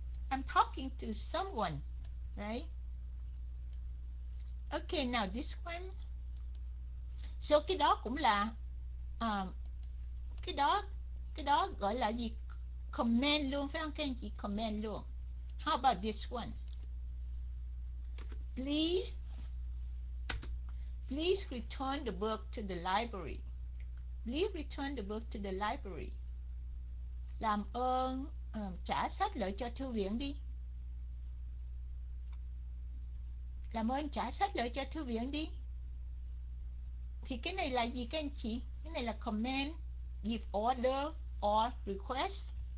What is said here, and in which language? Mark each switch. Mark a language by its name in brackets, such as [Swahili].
[English] I'm talking to someone, right? Okay, now this one. [Vietnamese] So cái đó cũng là cái đó gọi là gì, comment luôn, phải không các anh chị? [English] Comment luôn. How about this one? Please please return the book to the library. Please return the book to the library. [Vietnamese] Làm ơn trả sách lại cho thư viện đi. Làm ơn trả sách lại cho thư viện đi. Thì cái này là gì các anh chị? Cái này là [English] command, give order or request.